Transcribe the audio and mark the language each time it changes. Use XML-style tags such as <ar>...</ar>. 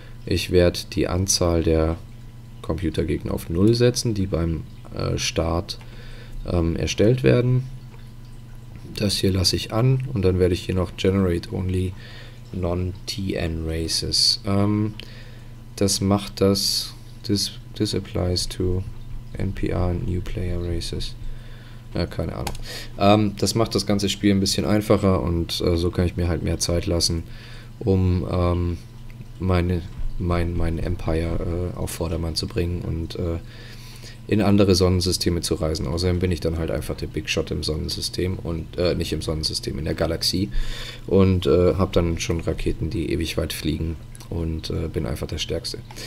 <de>Ich werde die Anzahl der Computergegner auf 0 setzen, die beim Start erstellt werden. Das hier lasse ich an und dann werde ich hier noch Generate Only Non-TN Races. Das macht das.</de> <en>This applies to NPR New Player Races.</en> <de>Ja, keine Ahnung. Das macht das ganze Spiel ein bisschen einfacher und so kann ich mir halt mehr Zeit lassen, um mein Empire auf Vordermann zu bringen und in andere Sonnensysteme zu reisen. Außerdem bin ich dann halt einfach der Big Shot im Sonnensystem und nicht im Sonnensystem, in der Galaxie und habe dann schon Raketen, die ewig weit fliegen und bin einfach der Stärkste.</de>